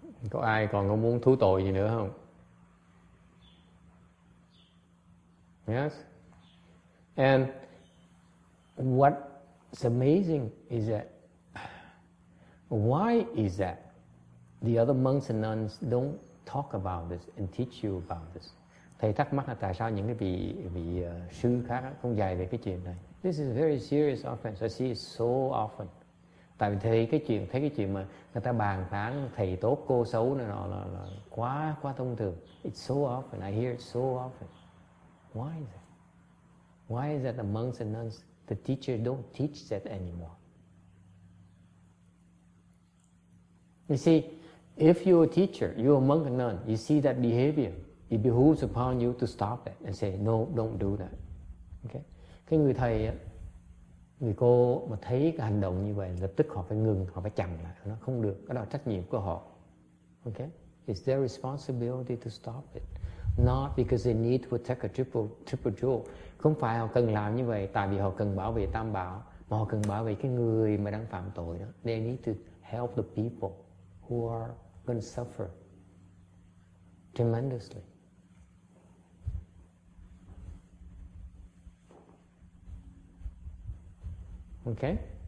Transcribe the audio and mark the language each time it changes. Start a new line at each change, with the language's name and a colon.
Vietnamese: Có ai còn không muốn thú tội gì nữa không?
English: Yes? And what's amazing is that why is that the other monks and nuns don't talk about this and teach you about this?
Vietnamese: Thầy thắc mắc là tại sao những cái vị sư khác không dạy về cái chuyện này.
English: This is a very serious offense. I see it so often.
Vietnamese: Tại vì thấy cái chuyện mà người ta bàn tán thầy tốt cô xấu này nọ là quá thông thường.
English: It's so often. I hear it so often. Why is that? Why is that the monks and nuns, the teachers don't teach that anymore? You see, if you're a teacher, you're a monk and nun, you see that behavior, it behooves upon you to stop it and say, no, don't do that. Okay?
Vietnamese: Cái người thầy, người cô mà thấy cái hành động như vậy, lập tức họ phải ngừng, họ phải chặn lại, nó không được, đó là trách nhiệm của họ.
English: Okay? It's their responsibility to stop it. Not because they need to attack a triple jewel.
Vietnamese: Không phải họ cần làm như vậy tại vì họ cần bảo vệ tam bảo, mà họ cần bảo vệ cái người mà đang phạm tội đó.
English: They need to help the people who are going to suffer tremendously. Okay?